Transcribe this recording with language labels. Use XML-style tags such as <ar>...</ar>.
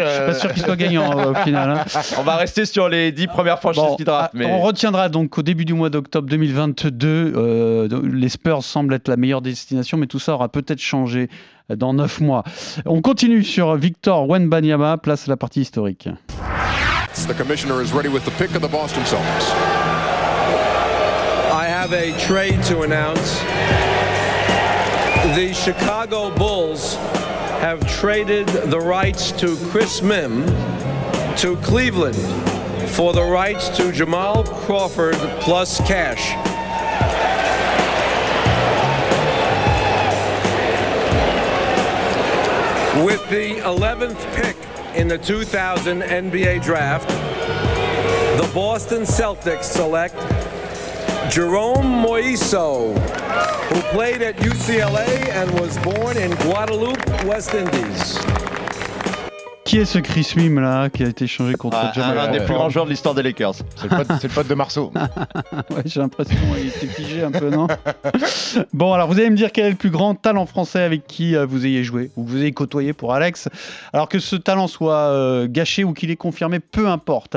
<fr>Je suis pas sûr qu'ils soient gagnants au final. On va rester sur les 10 premières franchises qui draftent. Mais... On retiendra donc au début du mois d'octobre 2022. Les Spurs semblent être la meilleure destination, mais tout ça aura peut-être changé dans 9 mois. On continue sur Victor Wembanyama, place à la partie historique.</fr> <en>The commissioner is ready with the pick of the Boston Celtics. I have a trade to announce. The Chicago Bulls have traded the rights to Chris Mim to Cleveland for the rights to Jamal Crawford plus cash. With the 11th pick in the 2000 NBA draft, the Boston Celtics select Jerome Moiso, who played at UCLA and was born in Guadeloupe, West Indies.</en> <fr>Qui est ce Chris Mim là qui a été échangé contre Jamal? Un des plus grands joueurs de l'histoire des Lakers. C'est le pote de Marceau. Ouais, j'ai l'impression qu'il s'est figé un peu, non? Bon, alors vous allez me dire quel est le plus grand talent français avec qui vous ayez joué ou vous ayez côtoyé pour Alex. Alors que ce talent soit gâché ou qu'il est confirmé, peu importe.</fr>